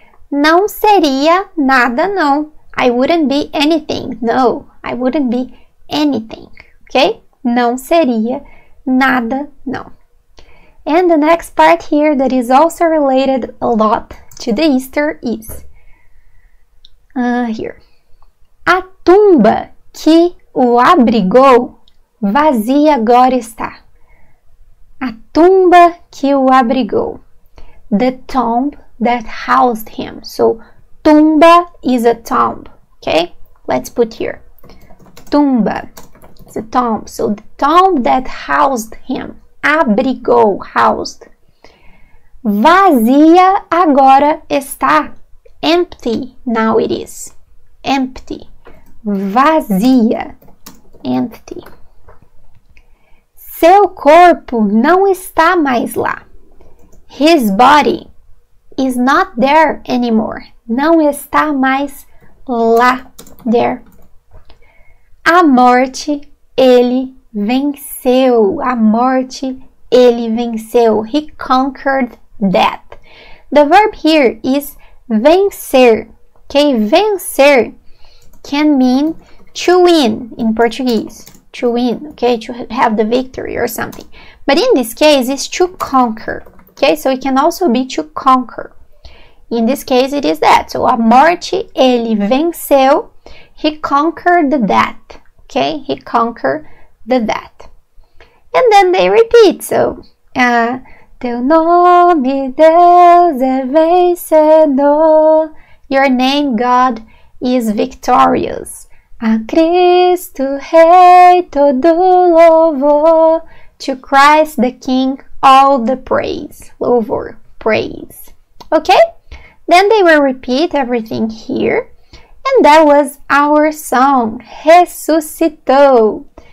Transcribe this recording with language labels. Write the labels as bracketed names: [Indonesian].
[Portuguese] Não seria nada, não. [English] I wouldn't be anything. No, I wouldn't be anything, okay? [Portuguese] Não seria nada, não. [English] And the next part here that is also related a lot to the Easter is... Here. [Portuguese] A tumba que o abrigou vazia agora está. A tumba que o abrigou. [English] The tomb that housed him. So, tumba is a tomb. Okay? Let's put here. Tumba is a tomb. So, the tomb that housed him. [Portuguese] Abrigou, housed. Vazia agora está. [English] Empty now it is. Empty. Vazia. Empty. [Portuguese] Seu corpo não está mais lá. [English] His body is not there anymore. [Portuguese] Não está mais lá. There. A morte ele venceu. A morte ele venceu. [English] He conquered death. The verb here is vencer. Okay? Vencer can mean to win in Portuguese. To win, okay? To have the victory or something. But in this case, it's to conquer. Okay? So it can also be to conquer. In this case, it is that. So [Portuguese] a morte ele venceu. [English] He conquered the death. Okay? He conquered the death. And then they repeat. [Portuguese] So, teu nome, Deus é vencedor. [English] Your name, God, is victorious. [Portuguese] A Cristo rei todo louvor. [English] To Christ the King, all the praise. Louvor, praise. Okay? Then they will repeat everything here. And that was our song, Ressuscitou.